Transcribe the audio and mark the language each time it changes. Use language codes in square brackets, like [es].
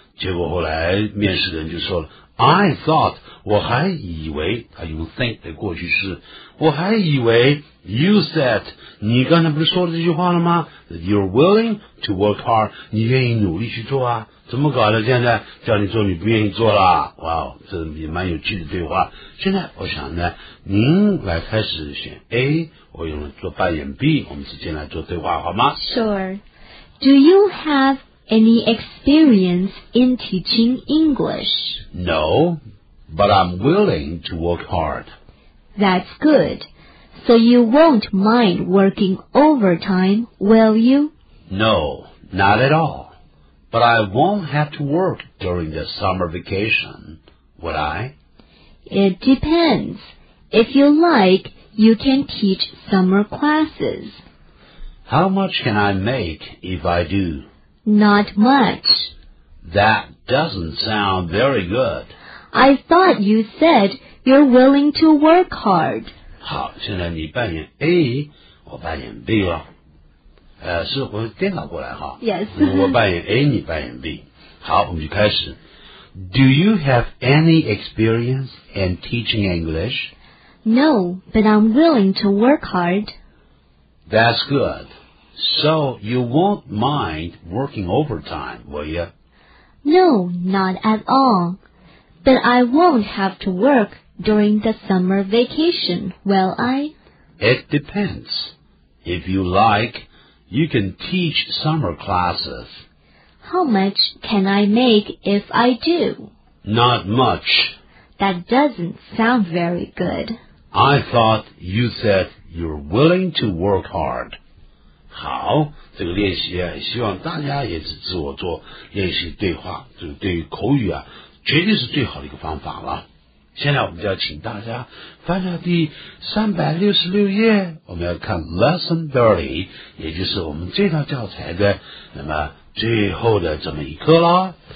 [zh] 结果后来面试人就说了 I thought, 我还以为他用 think 的过去式我还以为 you said, 你刚才不是说了这句话了吗 ? That you're willing to work hard, 你愿意努力去做啊怎么搞的现在叫你做你不愿意做啦哇、wow, 这也蛮有趣的对话。现在我想呢您来开始选 A, 我用来做扮演 B, 我们直接来做对话好吗 [en] ?Sure. Do you have any experience in teaching English? No, but I'm willing to work hard. That's good. So you won't mind working overtime, will you? No, not at all. But I won't have to work during the summer vacation, would I? It depends. If you like, you can teach summer classes. How much can I make if I do? Not much. That doesn't sound very good. I thought you said you're willing to work hard. [zh] 好现在你扮演 A, 我扮演 B 了。是我颠倒过来哈。 [en] Yes. [zh] 我扮演 A, 你扮演 B。好我们就开始。 [en] Do you have any experience in teaching English? No, but I'm willing to work hard. That's good. So you won't mind working overtime, will you? No, not at all. But I won't have to work. During the summer vacation, will I? It depends. If you like, you can teach summer classes. How much can I make if I do? Not much. That doesn't sound very good. I thought you said you're willing to work hard. [zh] 好，这个练习啊，希望大家也是自我做练习对话，就是对于口语啊，绝对是最好的一个方法了。现在我们就要请大家翻到第366页，我们要看 Lesson 30， 也就是我们这套教材的那么最后的这么一课啦。